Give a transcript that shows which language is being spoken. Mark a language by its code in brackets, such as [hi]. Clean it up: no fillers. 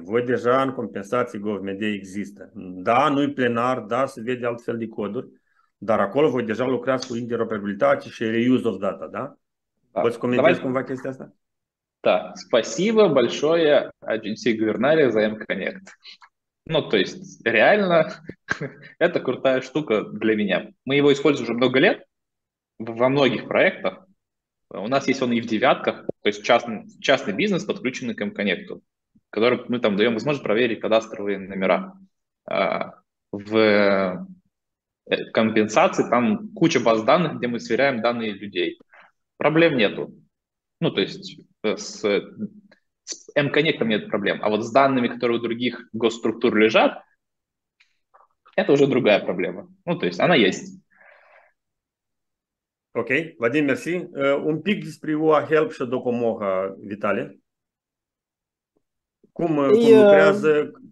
[ro] Voi deja în compensații GovMD există. Da, nu-i plenar, da, se vede alt fel de coduri, dar acolo voi deja lucrați cu interoperabilitate și [en] reuse of data, [ro] da? Poți să comentezi cumva chestia asta? [ru] Da, спасибо большое Agency Guvernare за M-Connect. Ну, то есть, реально, это крутая штука для меня. Мы его используем уже много лет во многих проектах. У нас есть он и в девятках, то есть частный бизнес, подключенный к M-Connect, который мы там даем возможность проверить кадастровые номера. В компенсации там куча баз данных, где мы сверяем данные людей. Проблем нету. Ну, то есть с M-Connect нет проблем. А вот с данными, которые у других госструктур лежат, это уже другая проблема. Ну, то есть она есть. [ro] Ok, Vadim, mersi. Un pic despre UAHelp și Docomoha, Vitale. Cum lucrează?